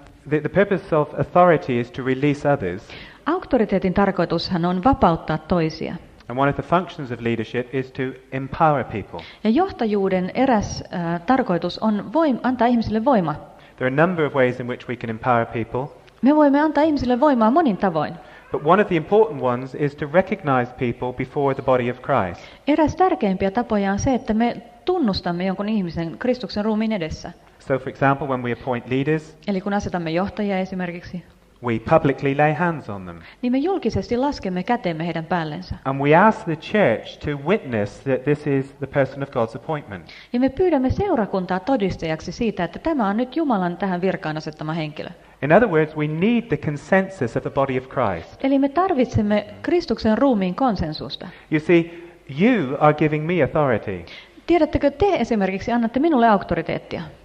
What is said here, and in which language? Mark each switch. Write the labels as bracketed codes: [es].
[en] The purpose of authority is to release others. [fi] Auktoriteetin tarkoitushan on vapauttaa toisia. [en] And one of the functions of leadership is to empower people. [fi] Ja johtajuuden eräs tarkoitus on antaa ihmisille voima. [en] There are a number of ways in which we can empower people. [fi] Me voimme antaa ihmisille voimaa monin tavoin. [en] But one of the important ones is to recognize people before the body of Christ. [fi] Eräs tärkeimpiä tapoja on se, että me tunnustamme jonkun ihmisen Kristuksen ruumiin edessä. [en] So for example, when we appoint leaders, [fi] eli kun asetamme johtajia esimerkiksi, [en] we publicly lay hands on them. [fi] Niin me julkisesti laskemme käteemme heidän päällensä. [en] And we ask the church to witness that this is the person of God's appointment. [fi] Ja me pyydämme seurakuntaa todistajaksi siitä, että tämä on nyt Jumalan tähän virkaan asettama henkilö. [en] In other words, we need the consensus of the body of Christ. [fi] Eli me tarvitsemme Kristuksen ruumiin konsensusta. [en] You see, you are giving me authority. [fi] Tiedättekö, te esimerkiksi annatte minulle auktoriteettia?